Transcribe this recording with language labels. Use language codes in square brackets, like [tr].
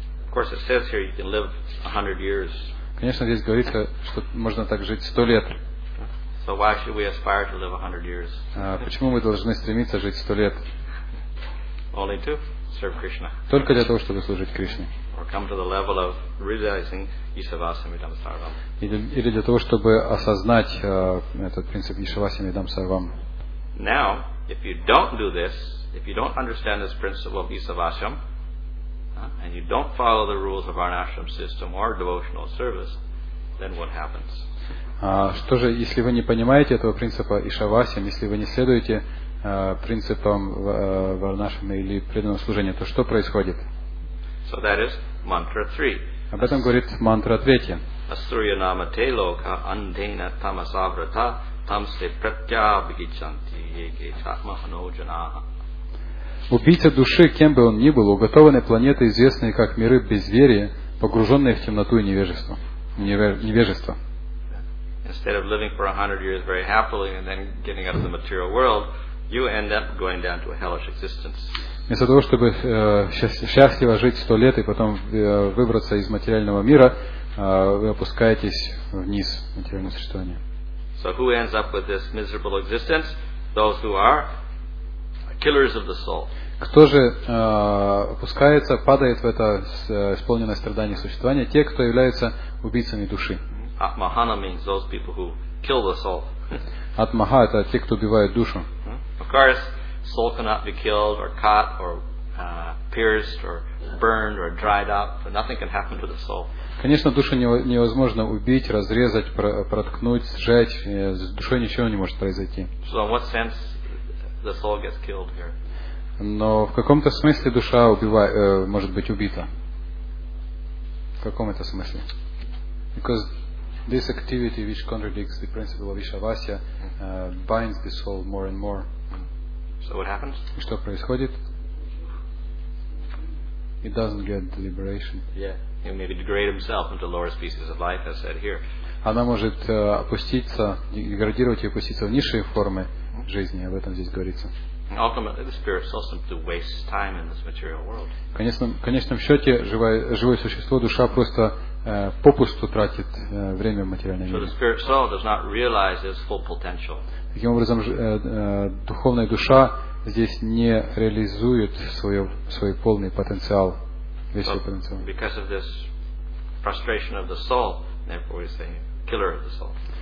[en] Of course, it says here you can live 100 years. [ru] Конечно, здесь говорится, что можно так жить 100 лет. [en] So why should we aspire to live 100 years? [ru] Почему мы должны стремиться жить 100 лет? [en] Only to serve Krishna. [ru] Только для того, чтобы служить Кришне. [en] Or come to the level of realizing [sa] Ishavasyam idam sarvam. [ru] Или для того, чтобы осознать этот принцип [sa] Ishavasyam idam sarvam. [en] Now, if you don't do this, if you don't understand this principle of Ishavasyam, and you don't follow the rules of Varnashram system or devotional service, then what happens? [ru] Что же, если вы не понимаете этого принципа Ishavasyam, если вы не следуете принципам Варнашрама или преданного служения, то что происходит? [en] So that is mantra 3. [ru] Об этом говорит мантра 3. [sa] Asurya nama te loka andena tamasavrata tamse pratyabhigichanti yege chatmahano janaha. [ru] Убийца души, кем бы он ни был, уготованы планеты, известные как миры безверия, погруженные в темноту и невежество. Невежество. [en] Instead of living for 100 years very happily and then getting out of the material world, you end up going down to a hellish existence. [ru] Вместо того, чтобы счастливо жить 100 лет и потом выбраться из материального мира, вы опускаетесь вниз в материальное существование. [en] So who ends up with this miserable existence? Those who are killers of the soul. [ru] Кто же опускается, падает в это исполненное страдание существование? Те, кто являются убийцами души. [en] Atmahana means those people who kill the soul. [ru] Atmaha – это те, кто убивает душу. [en] Of course, soul cannot be killed or cut or pierced or burned or dried up. Nothing can happen to the soul. [ru] Конечно, душу невозможно убить, разрезать, проткнуть, сжечь. С душой ничего не может произойти. [en] So in what sense the soul gets killed here? [ru] Но в каком-то смысле душа может быть убита. В каком это смысле? [en] Because this activity which contradicts the principle of Ishavasya binds the soul more and more. So what happens? [ru] И что происходит? [en] It doesn't get the liberation. Yeah. He may degrade himself into lower species of life, as said here. [ru] Она может опуститься, деградировать и опуститься в низшие формы жизни, об этом здесь говорится. [en] Ultimately, the spirit soul simply wastes time in this material world. [ru] В конечном счете, живое существо, душа просто попусту тратит время в материальном мире. [en] So the spirit soul does not realize its full potential. [ru] Таким образом, духовная душа здесь не реализует свой полный потенциал. [en] So, because of this frustration of the soul, therefore he's the killer of the soul.